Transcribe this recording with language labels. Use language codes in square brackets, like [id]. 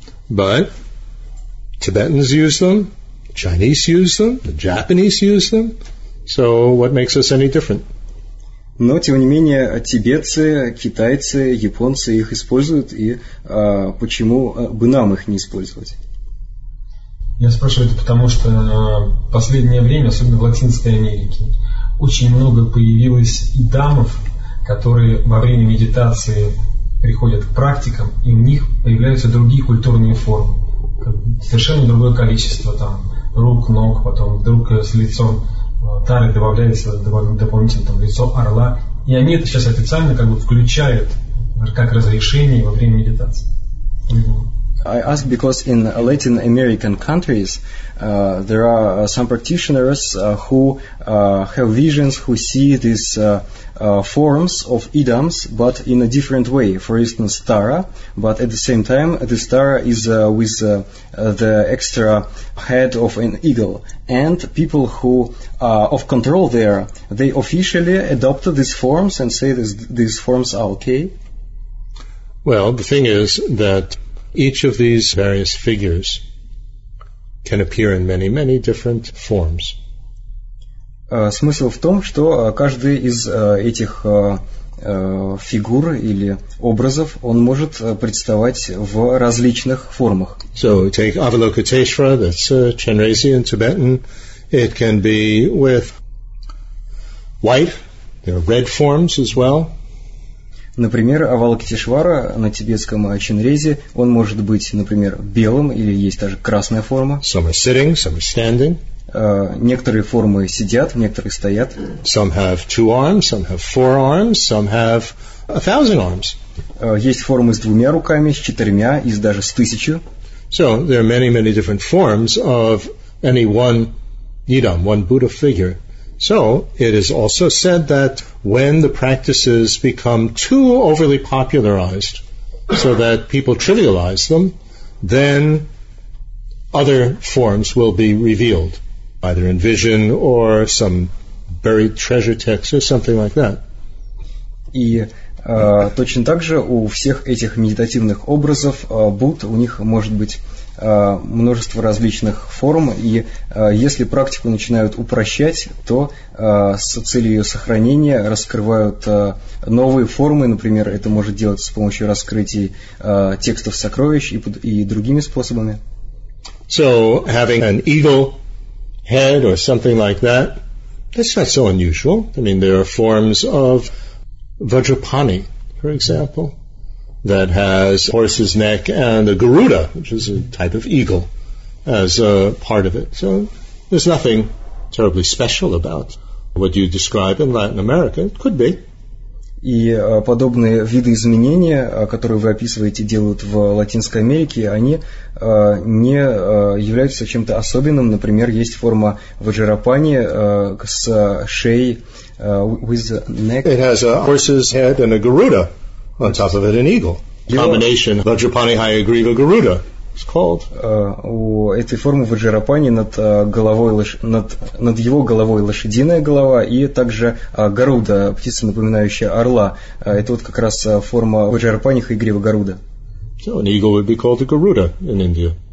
[en] But Tibetans use them, Chinese use them, the Japanese use them. So what makes us any different? [ru] Но, тем не менее, тибетцы, китайцы, японцы их используют, и почему бы нам их не использовать? Я спрашиваю это потому, что в последнее время, особенно в Латинской Америке, очень много появилось идамов, которые во время медитации приходят к практикам, и у них появляются другие культурные формы, совершенно другое количество там рук, ног, потом вдруг с лицом. Тары добавляется дополнительно там лицо орла, и они это сейчас официально как бы включают как разрешение во время медитации. [en] I ask because in Latin American countries there are some practitioners who have visions, who see these forms of idams, but in a different way. For instance, Tara, but at the same time, this Tara is with the extra head of an eagle. And people who are of control there, they officially adopt these forms and say these forms are okay. Well, the thing is that each of these various figures can appear in many, many different forms. [ru] Смысл в том, что каждый из этих фигур или образов, он может представать в различных формах. [en] So take Avalokiteshvara, that's a Chenrezian Tibetan. It can be with white, there are red forms as well. [ru] Например, Авалокитешвара на тибетском Чинрезе, он может быть, например, белым, или есть даже красная форма. [en] Some are sitting, some are standing. [ru] Некоторые формы сидят, некоторые стоят. [en] Some have two arms, some have four arms, some have a thousand arms. [ru] Есть формы с двумя руками, с четырьмя и даже с тысячу. [en] So there are many, many different forms of any one Nidam, one Buddha figure. So it is also said that when the practices become too overly popularized, so that people trivialize them, then other forms will be revealed, either in vision or some buried treasure text or something like that. [ru] И точно так же у всех этих медитативных образов Будд, у них может быть множество различных форм, и если практику начинают упрощать, то с целью ее сохранения раскрывают новые формы, например, это может делаться с помощью раскрытий текстов сокровищ и другими способами. [en] So, having an eagle head or something like that, that's not so unusual. I mean, there are forms of Vajrapani, for example, that has horse's neck and a Garuda, which is a type of eagle, as a part of it. So there's nothing terribly special about what you describe in Latin America. It could be. [ru] И подобные виды изменения, которые вы описываете, делают в Латинской Америке, они не являются чем-то особенным. Например, есть форма Vajrapani с шеей, [en] with neck. It has a horse's head and a Garuda. On top of it, an eagle. Combination Vajrapani Hayagriva Garuda. It's called. [ru] У этой формы Vajrapani над его головой лошадиная голова и также Garuda, птица, напоминающая орла. Это вот как раз форма Vajrapani Hayagriva Garuda. [en] So an eagle would be called a Garuda in India.